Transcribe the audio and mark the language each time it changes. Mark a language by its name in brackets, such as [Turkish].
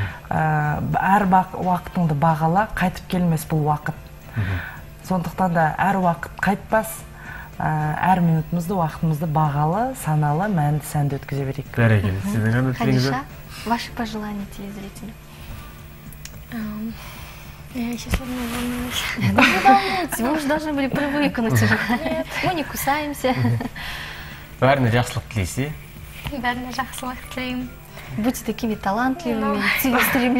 [Kazakh] Әр уақытыңды бағала, қайтып келмес бұл уақыт. Сондықтан да әр уақыт қайтпас, әр минутымызды, уақытымызды бағалы, саналы, мәнді, сәнді өткізе берейік. Бәрекелді, сіздің ғана тілегіңіз? [Russian] Хадиша, ваши пожелания телезрителям. Я сейчас одна волнуюсь. Да вы волнуетесь, вы уже должны были привыкнуть. Нет. Мы не кусаемся. [Kazakh] Бәріне жақсылық тілейсіз. Бәріне жақсылық тілеймін. [Russian] Будьте такими талантливыми, целеустремленными.